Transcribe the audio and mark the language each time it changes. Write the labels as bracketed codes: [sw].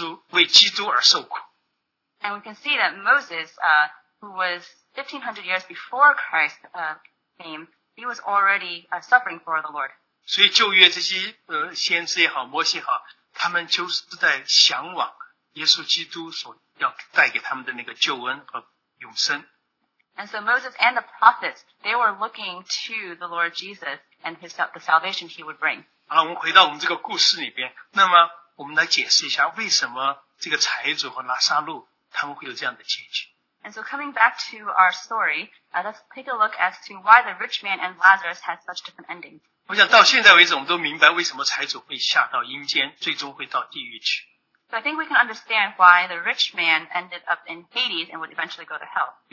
[zh] 所以圣经告诉我们说，摩西啊，那是在1500年前，主耶稣来之前1500年，他就开始为耶稣、为基督而受苦。 [en] And we can see that Moses, who was 1500 years before Christ came, he was already suffering for the Lord. [zh] 所以旧约这些先知也好，摩西也好，他们就是在向往耶稣基督所要带给他们的那个救恩和 [en] And so Moses and the prophets, they were looking to the Lord Jesus and the salvation he would bring. [zh] 好了，我们回到我们这个故事里边，那么我们来解释一下为什么这个财主和拉撒路他们会有这样的结局。 [en] And so coming back to our story, let's take a look as to why the rich man and Lazarus had such different endings. [zh] 我想到现在为止，我们都明白为什么财主会下到阴间，最终会到地狱去。 [en] So I think we can understand why the rich man ended up in Hades and would eventually go to hell.